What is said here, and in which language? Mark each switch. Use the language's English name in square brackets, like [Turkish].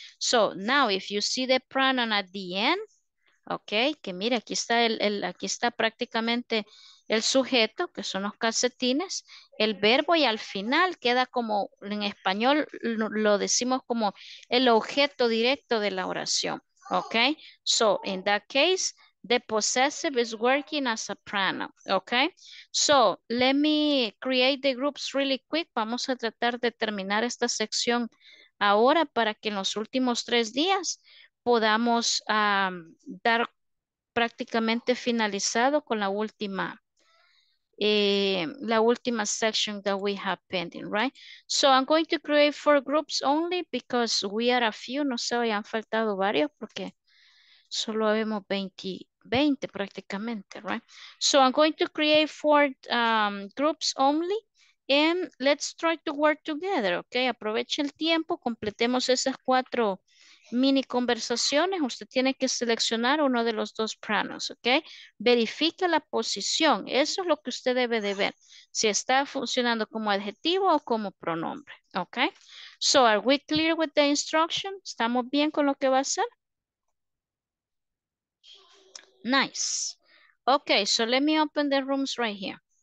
[English] So, now if you see the pronoun at the end, okay, [Spanish] que mire, aquí está aquí está prácticamente el sujeto, que son los calcetines. El verbo y al final queda como, en español lo decimos como el objeto directo de la oración. [English] Okay, so in that case, the possessive is working as a pronoun. Okay, so let me create the groups really quick. [Spanish] Vamos a tratar de terminar esta sección ahora para que en los últimos tres días podamos dar prácticamente finalizado con la última [English] section that we have pending, right? So I'm going to create four groups only because we are a few, [Spanish] no sé, hoy han faltado varios porque solo habemos 20 prácticamente, [English] right? So I'm going to create four groups only and let's try to work together, okay? [Spanish] Aproveche el tiempo, completemos esas cuatro mini conversaciones. Usted tiene que seleccionar uno de los dos pronouns, ¿ok? Verifica la posición. Eso es lo que usted debe de ver. Si está funcionando como adjetivo o como pronombre, ¿ok? [English] So, are we clear with the instruction? [Spanish] ¿Estamos bien con lo que va a hacer? [English] Nice. Ok, so let me open the rooms right here.